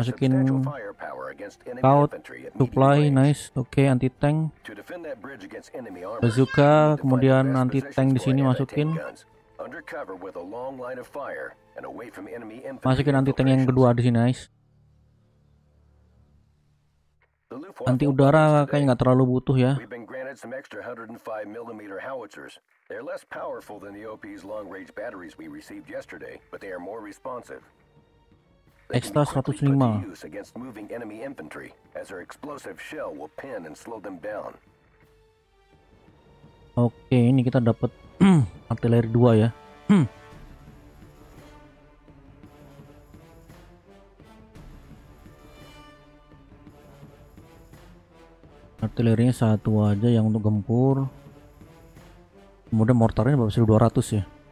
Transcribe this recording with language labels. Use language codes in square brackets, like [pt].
[id] masukin [en] substantial firepower against enemy infantry. Supply, nice. Okay, anti tank. To defend that bridge against enemy armor. [id] Bazooka, kemudian anti tank di sini masukin. [en] Undercover with a long line of fire and away from enemy infantry. [id] Masukin anti tank yang kedua di sini, nice. Anti udara kayaknya enggak terlalu butuh ya. [en] We've been granted some extra 105mm howitzers. They're less powerful than the OP's long-range batteries we received yesterday, but they are more responsive. Extra 105. They can be used against moving enemy infantry, as their explosive shell will pin and slow them down. [id] Oke, ini kita dapat artileri 2 ya. Artilerinya satu aja yang untuk gempur. Kemudian mortarnya berapa sih? 200 ya.